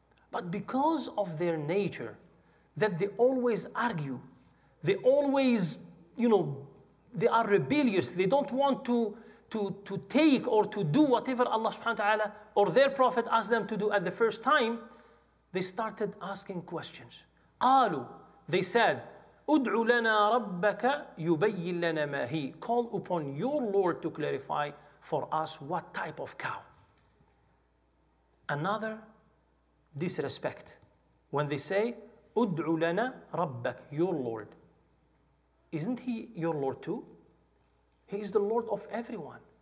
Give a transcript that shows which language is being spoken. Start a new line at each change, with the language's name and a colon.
English: But because of their nature, that they always argue, they always, you know, they are rebellious, they don't want to take or to do whatever Allah subhanahu wa ta'ala or their prophet asked them to do at the first time, they started asking questions.
Arabic: قالوا,
English: they said,
Arabic: أُدْعُ لَنَا رَبَّكَ يُبَيِّن لَنَا مَا هِي.
English: Call upon your Lord to clarify for us what type of cow. Another disrespect. When they say,
Arabic: أُدْعُ لَنَا رَبَّكَ,
English: your Lord. Isn't he your Lord too? He is the Lord of everyone.